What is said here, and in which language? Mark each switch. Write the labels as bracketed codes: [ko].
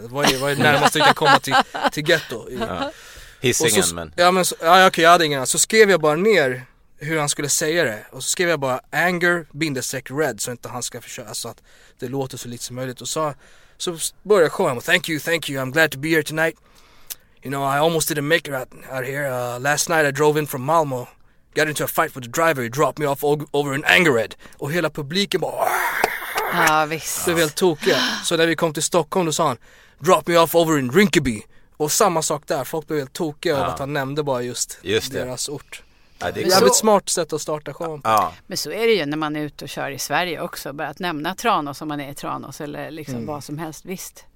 [sv] Vad är närmast du kan komma till ghetto? Hisingen, men. Jag hade ingen. Så skrev jag bara ner hur han skulle säga det. Och så skrev jag bara anger_red, så inte han ska försöka, så att det låter så lite som möjligt. Och så började jag showa, [en] thank you, I'm glad to be here tonight. You know, I almost didn't make it out here. Last night I drove in from Malmo. Got into a fight with the driver. He dropped me off over in Angered. [sv] Och hela publiken bara... Ja, visst. Det var helt tokigt. Så när vi kom till Stockholm, då sa han, [en] drop me off over in Rinkeby. [sv] Och samma sak där. Folk blev helt tokiga av att han nämnde bara just deras ort. Det är ett smart sätt att starta showen. Ja. Men så är det ju när man är ute och kör i Sverige också. Bara att nämna Tranås om man är i Tranås eller liksom vad som helst, visst.